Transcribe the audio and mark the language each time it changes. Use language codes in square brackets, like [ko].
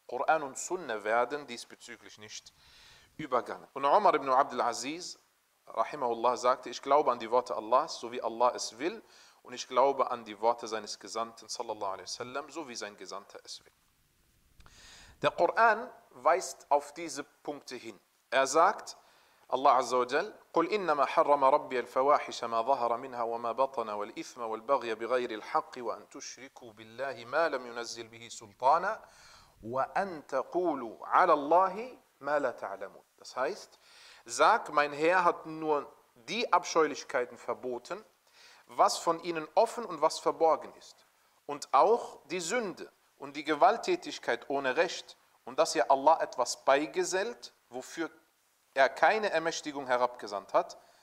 [de] Koran und Sunna werden diesbezüglich nicht übergangen. Und Umar ibn Abdul Aziz, rahimahullah, sagte, ich glaube an die Worte Allahs, so wie Allah es will, und ich glaube an die Worte seines Gesandten, sallallahu alaihi wasallam, so wie sein Gesandter es will. Der Koran weist auf diese Punkte hin. Er sagt, [ar] Allah azza wa jal, قُلْ إِنَّمَا حَرَّمَ رَبِّيَ الْفَوَاحِشَ مَا ظَهَرَ مِنْهَا وَمَا بَطَنَ وَالْإِثْمَ وَالْبَغْيَ بِغَيْرِ الْحَقِّ وَأَنْ تُشْرِكُوا بِاللَّهِ مَا لَمْ يُنَزِّلْ بِهِ سُلْطَانًا وَأَنْ تَقُولُوا عَلَى اللَّهِ مَا لَا تَعْلَمُونَ. [de] Das heißt, sag, mein Herr hat nur die Abscheulichkeiten verboten, was von ihnen offen und was verborgen ist. Und auch die Sünde und die Gewalttätigkeit ohne Recht, und dass ihr Allah etwas beigesellt, wofür er keine Ermächtigung herabgesandt hat.